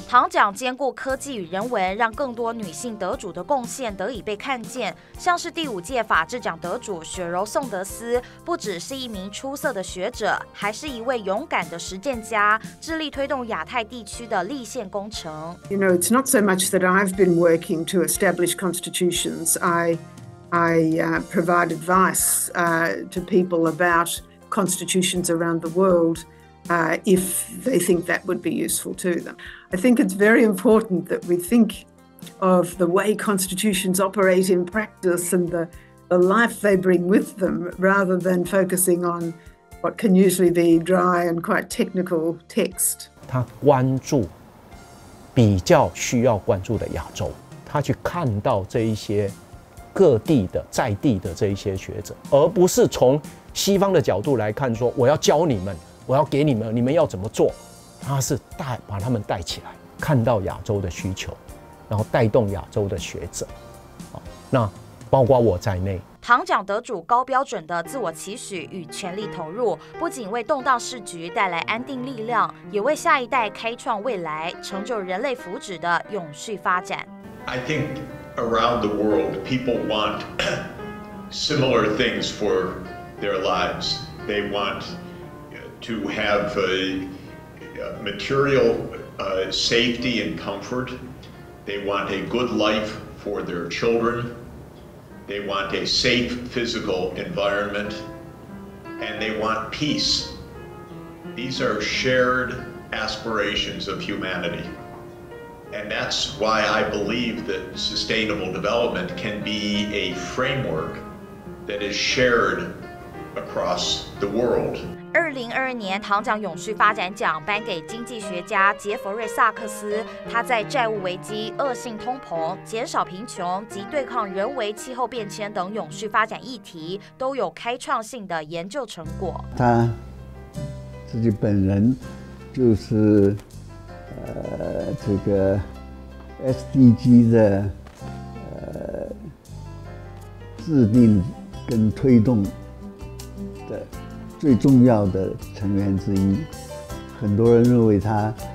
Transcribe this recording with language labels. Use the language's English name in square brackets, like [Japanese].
[Chinese] 唐奖兼顾科技与人文，让更多女性得主的贡献得以被看见。像是第五届法治奖得主雪柔宋德斯，不只是一名出色的学者，还是一位勇敢的实践家，致力推动亚太地区的立宪工程。 [English] You know, it's not so much that I've been working to establish constitutions. I provide advice to people about constitutions around the world, if they think that would be useful to them. I think it's very important that we think of the way constitutions operate in practice and the life they bring with them, rather than focusing on what can usually be dry and quite technical text. [Chinese] 他关注比较需要关注的亚洲，他去看到这一些各地的在地的这一些学者，而不是从西方的角度来看说我要教你们，我要给你们，你们要怎么做，他是带把他们带起来，看到亚洲的需求，然后带动亚洲的学者，那包括我在内。唐奖得主高标准的自我期许与全力投入，不仅为动荡世局带来安定力量，也为下一代开创未来，成就人类福祉的永续发展。 [English] I think around the world, people want similar things for their lives. They want to have material safety and comfort. They want a good life for their children. They want a safe physical environment, and they want peace. These are shared aspirations of humanity. And that's why I believe that sustainable development can be a framework that is shared across the world. [Chinese] 2022年唐奖永续发展奖颁给经济学家杰弗瑞·萨克斯，他在债务危机、恶性通膨、减少贫穷及对抗人为气候变迁等永续发展议题都有开创性的研究成果。他自己本人就是这个 SDG 的制定跟推动的最重要的成员之一，很多人认为他，